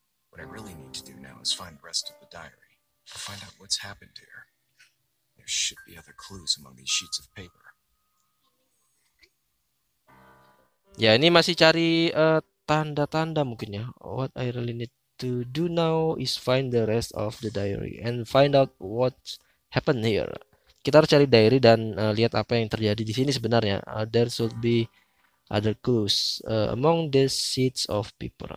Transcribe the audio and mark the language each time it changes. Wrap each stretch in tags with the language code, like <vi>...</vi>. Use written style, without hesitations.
<en>What I really need to do now is find the rest of the diary. Find out what's happened here. There should be other clues among these sheets of paper.</en> <id>Ya, ini masih cari tanda-tanda mungkin ya.</id> <en>What I really need to do now is find the rest of the diary and find out what happened here.</en> <id>Kita harus cari diary dan lihat apa yang terjadi di sini sebenarnya.</id> <en>There should be other clues among the sheets of paper.</en>